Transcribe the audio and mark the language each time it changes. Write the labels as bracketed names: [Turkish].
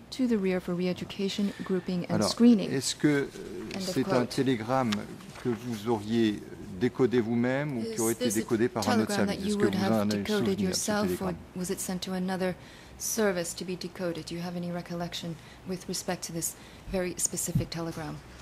[English] To the rear for re-education, grouping and [French] alors, [English] screening. [French] Est-ce que c'est un télégramme que vous auriez décodé vous-même ou qui aurait été décodé par un autre service? Est-ce que vous en avez souvenir de ce télégramme? [English] Was it sent to another service to be decoded? Do you have any recollection with respect to this very specific telegram?